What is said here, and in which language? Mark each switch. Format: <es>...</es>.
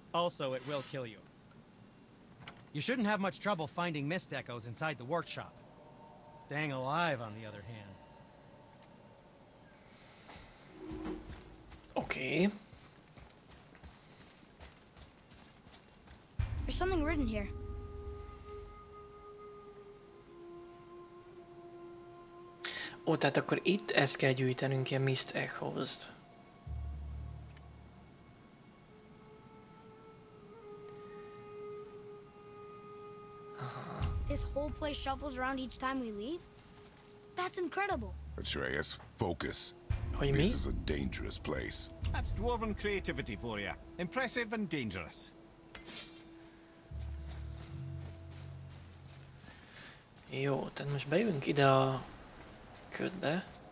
<en>Also, it will kill you. You shouldn't have much trouble finding mist echoes inside the workshop. Staying alive, on the other hand. Okay. There's something written here.</en> <hu>Ó, tehát akkor itt ezt kell gyűjtenünk, ilyen Mist Echoes-t.</hu> <en>This whole place shuffles around each time we leave? That's incredible. Atreus, focus. What this mean? Is a dangerous place. That's dwarven creativity for you. Impressive and dangerous.</en> <hu>Jó, tehát most bejövünk ide a ködbe.</hu>